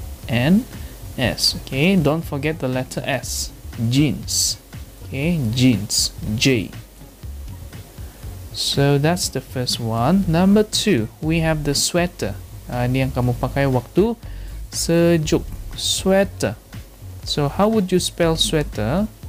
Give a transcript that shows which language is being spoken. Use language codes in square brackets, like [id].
[en] J-E-A-N-S. Okay, don't forget the letter S. Jeans. Okay, jeans. J. So that's the first one. Number 2, we have the sweater. [ms] Ini yang kamu pakai waktu sejuk. [en] Sweater. So how would you spell sweater?